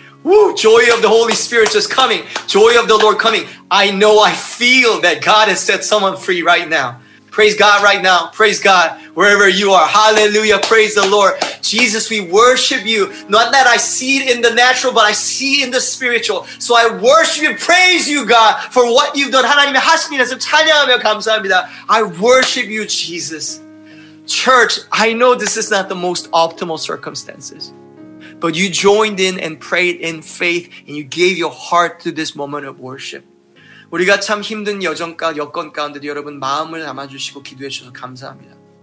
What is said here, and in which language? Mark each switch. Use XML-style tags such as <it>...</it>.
<en>Woo, joy of the Holy Spirit just coming. Joy of the Lord coming. I know, I feel that God has set someone free right now. Praise God right now. Praise God wherever you are. Hallelujah. Praise the Lord. Jesus, we worship you. Not that I see it in the natural, but I see it in the spiritual. So I worship you. Praise you, God, for what you've done.</en> <ko>하나님의 하신 일에서 찬양하며 감사합니다.</ko> <en>I worship you, Jesus. Church, I know this is not the most optimal circumstances. But you joined in and prayed in faith and you gave your heart to this moment of worship.</en> <ko>우리가 참 힘든 여건 가운데도 여러분 마음을 담아주시고 기도해 주셔서 감사합니다.</ko>